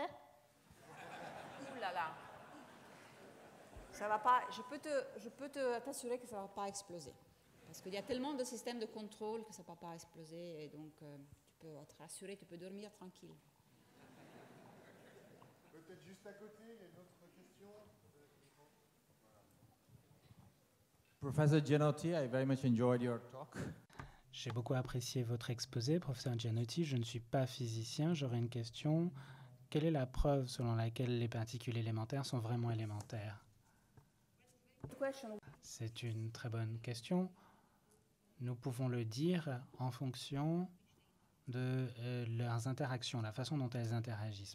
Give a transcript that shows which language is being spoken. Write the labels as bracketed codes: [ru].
[fr] Ouh là là. Ça va pas. Je peux te t'assurer que ça va pas exploser. Parce qu'il y a tellement de systèmes de contrôle que ça ne va pas exploser, et donc tu peux être rassuré, tu peux dormir tranquille. Peut-être juste à côté, il y a une autre question. [en] Professeur Gianotti, I very much enjoyed your talk. [fr] J'ai beaucoup apprécié votre exposé, professeur Gianotti. Je ne suis pas physicien, j'aurais une question. Quelle est la preuve selon laquelle les particules élémentaires sont vraiment élémentaires? C'est une très bonne question. Nous pouvons le dire en fonction de leurs interactions, la façon dont elles interagissent.